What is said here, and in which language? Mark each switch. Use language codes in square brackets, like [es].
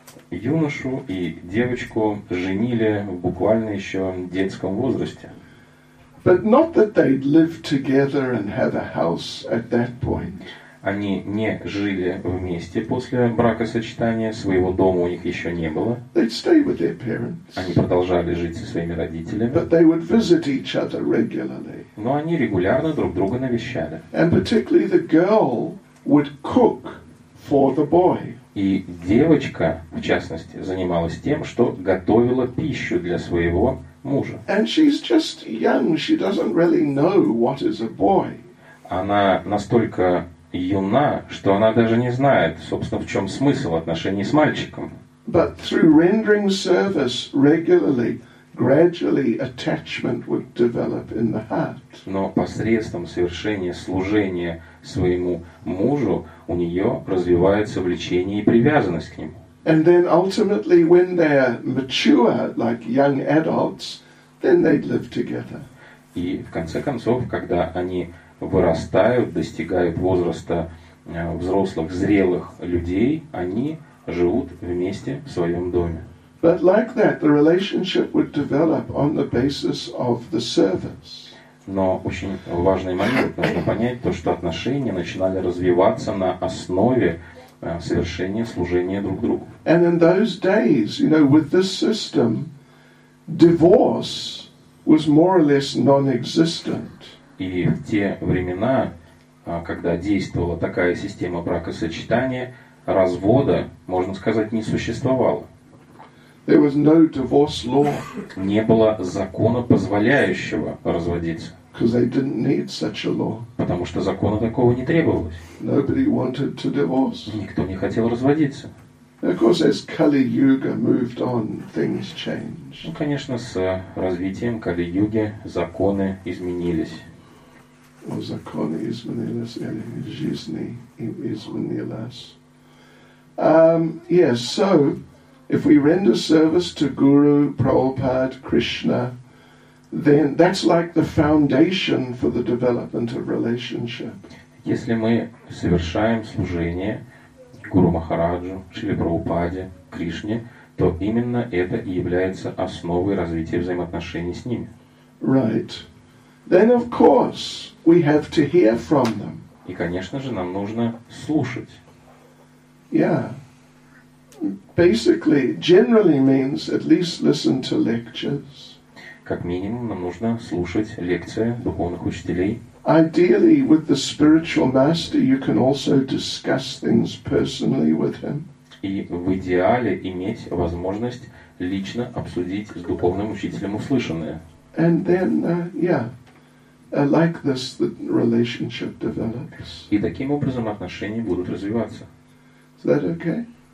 [ru] Юношу и девочку женили буквально еще в детском возрасте. [en] But not that they'd live together and have a house at that point. [ru] Они не жили вместе после бракосочетания, своего дома у них еще не было. [en] They'd stay with their parents. [ru] Они продолжали жить со своими родителями. [en] But they would visit each other regularly. [ru] Но они регулярно друг друга навещали. [en] And particularly the girl would cook for the boy. [ru] И девочка, в частности, занималась тем, что готовила пищу для своего мужа. [en] And she's just young, she doesn't really know what is a boy. [ru] Она настолько юна, что она даже не знает, собственно, в чем смысл отношений с мальчиком. [en] But through rendering service regularly, gradually attachment would develop in the heart. [ru] Но посредством совершения служения своему мужу у нее развивается влечение и привязанность к нему. [en] And then ultimately, when they're mature, like young adults, then they'd live together. [ru] И в конце концов, когда они вырастают, достигают возраста взрослых, зрелых людей, они живут вместе в своем доме. [en] But like that, the relationship would develop on the basis of the service. [ru] Но очень важный момент, нужно понять то, что отношения начинали развиваться на основе совершения служения друг другу. [en] And in those days, you know, with this system, divorce was more or less non-existent. [ru] И в те времена, когда действовала такая система бракосочетания, развода, можно сказать, не существовало. [en] There was no divorce law. [ru] Не было закона, позволяющего разводиться. [en] Because they didn't need such a law. [ru] Потому что закона такого не требовалось. [en] Nobody wanted to divorce. [ru] Никто не хотел разводиться. [en] Of course, as Kali-Yuga moved on, things changed. [ru] Ну, конечно, с развитием Кали-Юги законы изменились. О законе изменилось, или жизни изменилось. [en] Yes, so, if we render service to Guru, Prabhupada, Krishna, then that's like the foundation for the development of relationship. [ru] Если мы совершаем служение Гуру Махараджу, Шри Прабхупаде, Кришне, то именно это и является основой развития взаимоотношений с ними. [en] Right. Then, of course, we have to hear from them. [ru] И, конечно же, нам нужно слушать. [en] Yeah. Basically, generally means at least listen to lectures. [ru] Как минимум, нам нужно слушать лекции духовных учителей. [en] Ideally, with the spiritual master, you can also discuss things personally with him. [ru] И в идеале иметь возможность лично обсудить с духовным учителем услышанное. [en] And then, yeah. Like this, the relationship develops. [ru] И таким образом отношения будут развиваться. [en] Is that okay?